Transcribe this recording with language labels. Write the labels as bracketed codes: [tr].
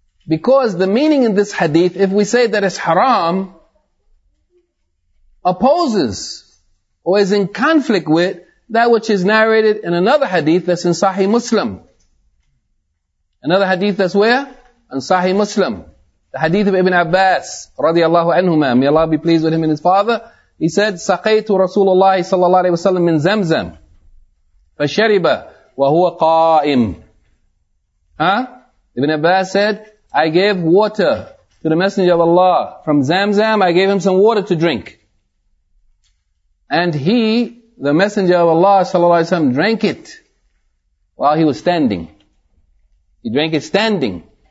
[en] Because the meaning in this hadith, if we say that it's haram, opposes or is in conflict with that which is narrated in another hadith that's in Sahih Muslim. Another hadith that's where? In Sahih Muslim. The hadith of Ibn Abbas, radiallahu anhuma, may Allah be pleased with him and his father. He said, [ar] سَقَيْتُ رَسُولُ اللَّهِ صَلَّى اللَّهِ عَلَيْهِ وَسَلَّمْ مِنْ زَمْزَمْ فَشَرِبَ وَهُوَ قَائِمٌ. [en] Ibn Abbas said, I gave water to the Messenger of Allah from Zamzam. I gave him some water to drink. And he, the Messenger of Allah, sallallahu alayhi wa sallam, drank it while he was standing. He drank it standing.